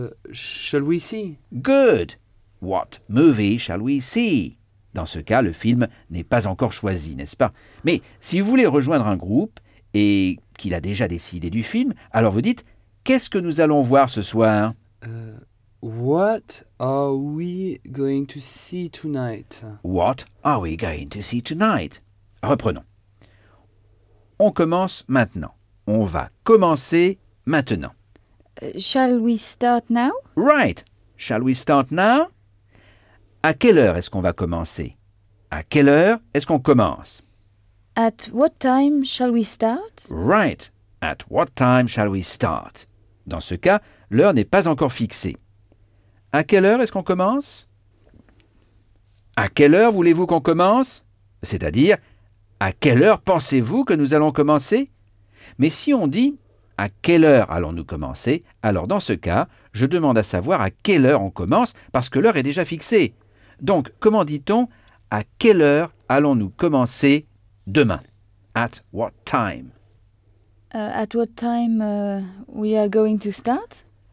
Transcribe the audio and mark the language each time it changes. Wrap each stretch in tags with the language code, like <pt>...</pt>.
<en>Shall we see? Good. What movie shall we see?</en> <fr>Dans ce cas, le film n'est pas encore choisi, n'est-ce pas? Mais si vous voulez rejoindre un groupe et qu'il a déjà décidé du film, alors vous dites, qu'est-ce que nous allons voir ce soir?</fr> <en>What are we going to see tonight? What are we going to see tonight?</en> <fr>Reprenons. On commence maintenant. On va commencer maintenant.</fr> <en>Shall we start now? Right. Shall we start now?</en> <fr>À quelle heure est-ce qu'on va commencer? À quelle heure est-ce qu'on commence?</fr> <en>At what time shall we start? Right. At what time shall we start?</en> <fr>Dans ce cas, l'heure n'est pas encore fixée. À quelle heure est-ce qu'on commence? À quelle heure voulez-vous qu'on commence? C'est-à-dire, à quelle heure pensez-vous que nous allons commencer? Mais si on dit, à quelle heure allons-nous commencer? Alors dans ce cas, je demande à savoir à quelle heure on commence, parce que l'heure est déjà fixée. Donc, comment dit-on, à quelle heure allons-nous commencer demain?</fr> <en>At what time? At what time we are going to start?</en>